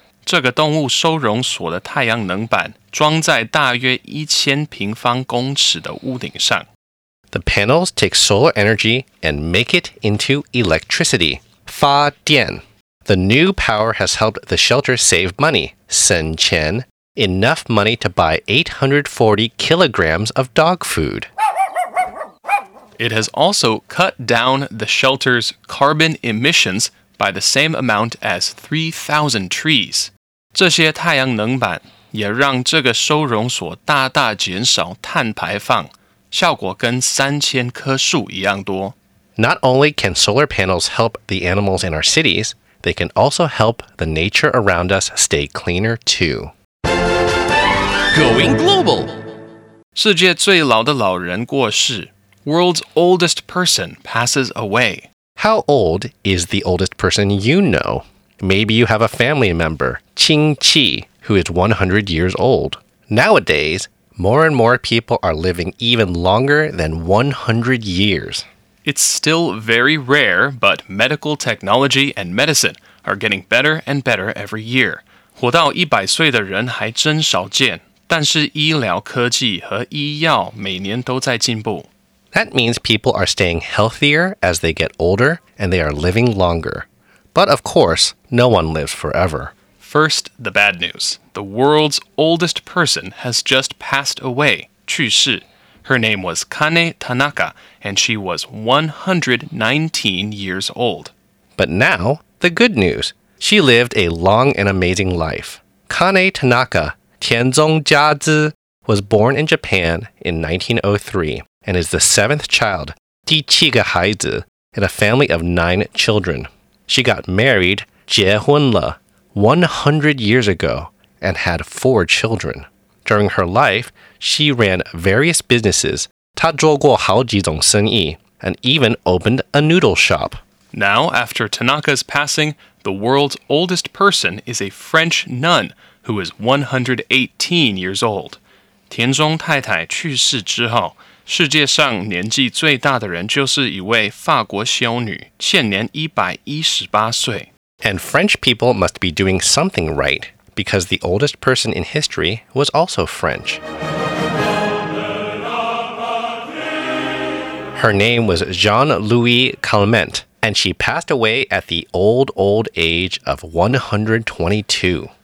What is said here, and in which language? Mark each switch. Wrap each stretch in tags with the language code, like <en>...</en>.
<zh>这个动物收容所的太阳能板装在大约一千平方公尺的屋顶上。</zh> <en>The panels take solar energy and make it into electricity,</en> <zh>发电。</zh> <en>The new power has helped the shelter save money,</en> <zh>省钱,</zh> <en>enough money to buy 840 kilograms of dog food. It has also cut down the shelter's carbon emissions by the same amount as 3,000 trees.</en> <zh>这些太阳能板也让这个收容所大大减少碳排放，效果跟三千棵树一样多。</zh> <en>Not only can solar panels help the animals in our cities, they can also help the nature around us stay cleaner too. Going global!</en> <zh>世界最老的老人过世。</zh> <en>World's oldest person passes away. How old is the oldest person you know? Maybe you have a family member,</en> <zh>亲戚,</zh> <en>who is 100 years old. Nowadays, more and more people are living even longer than 100 years. It's still very rare, but medical technology and medicine are getting better and better every year.</en> <zh>活到100岁的人还真少见,但是医疗科技和医药每年都在进步。</zh> <en>That means people are staying healthier as they get older and they are living longer. But of course, no one lives forever. First, the bad news. The world's oldest person has just passed away,</en> <zh>去世.</zh> <en>Her name was Kane Tanaka, and she was 119 years old. But now, the good news. She lived a long and amazing life. Kane Tanaka, 田中佳子, was born in Japan in 1903 and is the seventh child,</en> <zh>第七个孩子,</zh> <en>in a family of nine children. She got married,</en> <zh>结婚了,</zh> <en>100 years ago, and had four children. During her life, she ran various businesses,</en> <zh>她做过好几种生意,</zh> <en>and even opened a noodle shop. Now, after Tanaka's passing, the world's oldest person is a French nun who is 118 years old.</en> <zh>田中太太去世之后,世界上年纪最大的人就是一位法国修女,现年118岁。</zh> <en>And French people must be doing something right, because the oldest person in history was also French. Her name was Jean-Louis Calment, and she passed away at the old, old age of 122.</en>